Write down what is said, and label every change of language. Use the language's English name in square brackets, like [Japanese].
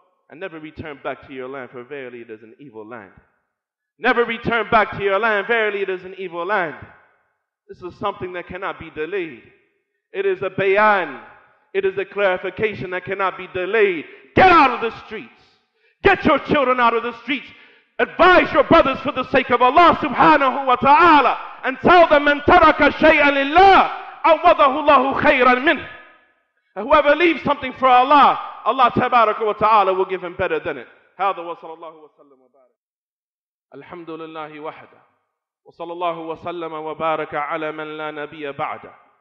[English] And never return back to your land, for verily it is an evil land. Never return back to your land, verily it is an evil land. This is something that cannot be delayed. It is a bayan. It is a clarification that cannot be delayed. Get out of the streets. Get your children out of the streets. Advise your brothers for the sake of Allah subhanahu wa ta'ala. And tell them, [Arabic] من ترك شيئا لله عوضه الله خيرا منه. [English] Whoever leaves something for Allah, Allah tabaraka wa ta'ala will give him better than it. [Arabic] هذا وصلى الله وسلم وبارك. الحمد لله وحده. وصلى الله وسلم وبارك على من لا نبي بعده.